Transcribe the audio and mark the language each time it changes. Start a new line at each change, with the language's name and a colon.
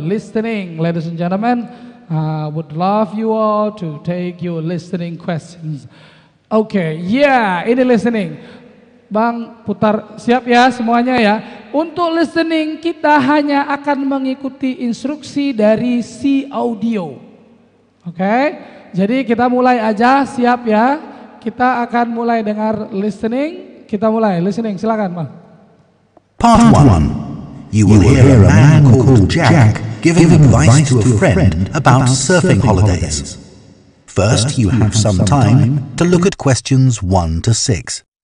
English: Listening, ladies and gentlemen, would love you all to take your listening questions.
Indonesian: Oke, okay, yeah, ini listening. Bang Putar, siap ya semuanya ya. Untuk listening, kita hanya akan mengikuti instruksi dari si audio. Oke, jadi kita mulai aja, siap ya. Kita akan mulai dengar listening. Kita mulai, listening, silakan, Bang.
English: Part 1. You will hear a man called Jack giving advice to a friend about surfing holidays. First, you have some time to look at questions 1 to 6.